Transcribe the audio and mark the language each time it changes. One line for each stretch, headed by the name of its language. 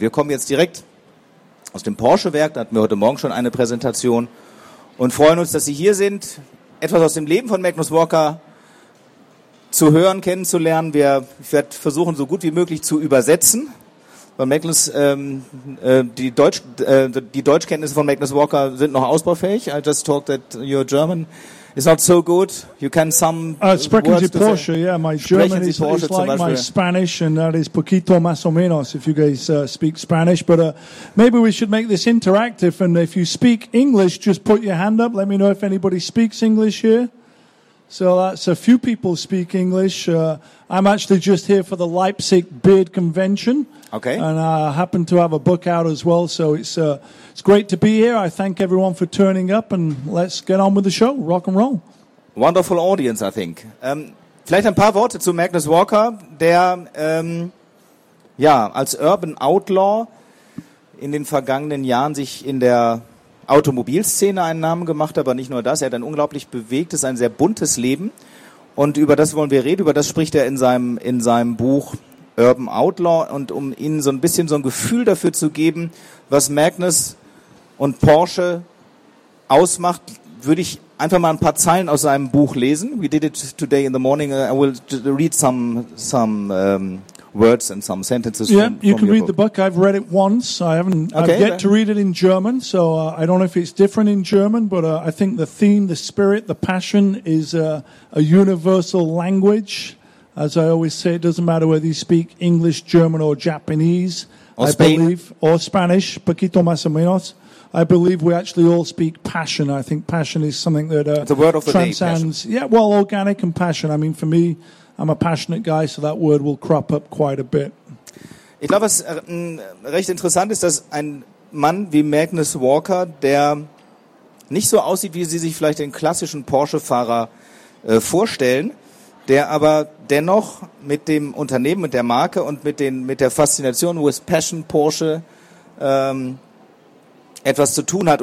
German: Wir kommen jetzt direkt aus dem Porsche-Werk, da hatten wir heute Morgen schon eine Präsentation, und freuen uns, dass Sie hier sind, etwas aus dem Leben von Magnus Walker zu hören, kennenzulernen. Ich werde versuchen, so gut wie möglich zu übersetzen. Von Magnus, die Deutschkenntnisse von Magnus Walker sind noch ausbaufähig.
English: I just talk that your German is not so good. You can some
German: sprechen Sie Porsche, say.
English: Yeah, my German is like my Spanish, and that is
Spanish: poquito más o menos
English: if you guys speak Spanish. But maybe we should make this interactive, and if you speak English, just put your hand up. Let me know if anybody speaks English here. So that's a few people speak English. I'm actually just here for the Leipzig Beard Convention. Okay. And I happen to have a book out as well, so it's great to be here. I thank everyone for turning up, and let's get on with the show. Rock and roll. Wonderful audience, I think.
German: Vielleicht ein paar Worte zu Magnus Walker, der als Urban Outlaw in den vergangenen Jahren sich in der Automobilszene einen Namen gemacht, aber nicht nur das. Er hat ein unglaublich bewegtes, ein sehr buntes Leben. Und über das wollen wir reden. Über das spricht er in seinem Buch Urban Outlaw. Und um Ihnen so ein bisschen so ein Gefühl dafür zu geben, was Magnus und Porsche ausmacht, würde ich einfach mal ein paar Zeilen aus seinem Buch lesen.
English: We did it today in the morning. I will read some words and some sentences. Yeah, you can read the book. I've read it once. I've yet to read it in German, so I don't know if it's different in German, but I think the theme, the spirit, the passion is a universal language. As I always say, it doesn't matter whether you speak English, German, or Japanese, or I believe, or Spanish,
Spanish: poquito más o menos.
English: I believe we actually all speak passion. I think passion is something that transcends. Yeah, well, organic and passion. I mean, for me, I'm a passionate guy, so that word will crop up quite a bit.
German: Ich glaube, was recht interessant ist, dass ein Mann wie Magnus Walker, der nicht so aussieht, wie Sie sich vielleicht den klassischen Porsche-Fahrer vorstellen, der aber dennoch mit dem Unternehmen, mit der Marke und mit der Faszination
English: with Passion
German: Porsche etwas zu tun hat.